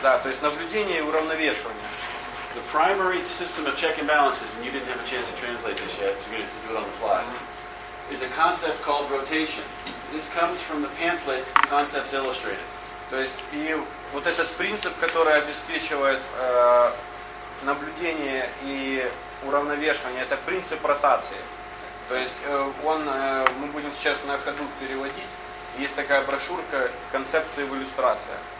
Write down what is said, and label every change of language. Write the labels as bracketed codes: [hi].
[ru] Да, то есть наблюдение и уравновешивание. [en] The primary system of check and balances, and you didn't have a chance to translate this yet, so you're going to do it on the fly, is a concept called rotation. This comes from the pamphlet Concepts Illustrated. [ru] То есть и вот этот принцип, который обеспечивает наблюдение и уравновешивание, это принцип ротации. То есть мы будем сейчас на ходу переводить. Есть такая брошюрка «Концепции в иллюстрациях».